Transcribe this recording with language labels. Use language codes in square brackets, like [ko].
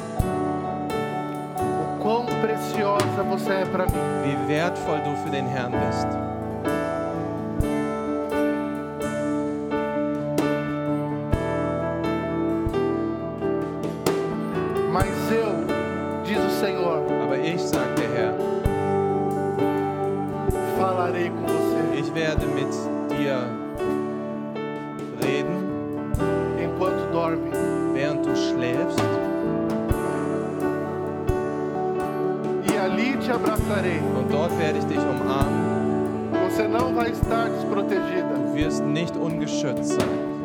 [pt] o quão preciosa você é para mim. [de] Wie wertvoll du für den Herrn bist. [pt] Mas eu, diz o Senhor, [de] aber ich, sagt der Herr, [pt] falarei com você. [de] Ich werde mit dir reden. [pt] Enquanto dorme. [de] Während du schläfst. [pt] E ali te abraçarei. [de] Und dort werde ich dich umarmen. [pt] Você não vai estar desprotegida. [de] Du wirst nicht ungeschützt sein.